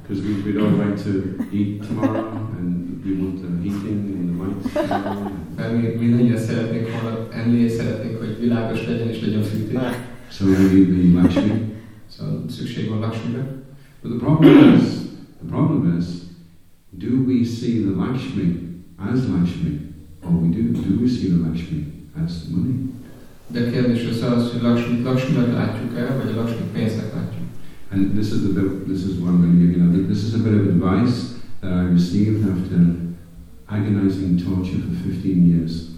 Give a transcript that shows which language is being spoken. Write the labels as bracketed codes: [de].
[en] Because we don't like to eat tomorrow, and we want the heating and the lights. [hu] Mert mindannyian szeretnénk holnap enni, és szeretnénk, hogy világos legyen, és legyen fűtés. [en] So we need the Lakshmi. [hu] So szükség van Lakshmira. [en] But the problem is, do we see the Lakshmi as Lakshmi, or do we see the Lakshmi as money? [hu] De kérdés az az, hogy Lakshmit látjuk-e, vagy a Lakshmit pénznek látjuk. [en] And this is what I'm going to give you now. This is a bit of advice that I received after agonizing torture for 15 years.